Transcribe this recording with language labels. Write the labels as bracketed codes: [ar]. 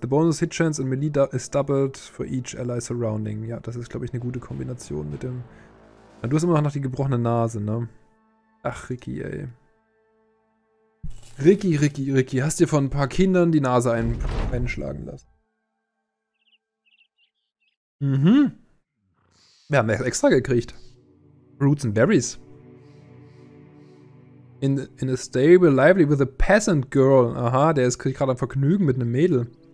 [en] The bonus hit chance and melee is doubled for each ally surrounding. [de] Ja, das ist, glaube ich, eine gute Kombination mit dem. Du hast immer noch die gebrochene Nase, ne? Ach, Ricky, ey. Ricky, Ricky, Ricky, hast dir von ein paar Kindern die Nase einschlagen lassen? Mhm. Wir haben das extra gekriegt. Roots and Berries. [en] In a stable, lively with a peasant girl. [de] Aha, der ist gerade am Vergnügen mit einem Mädel.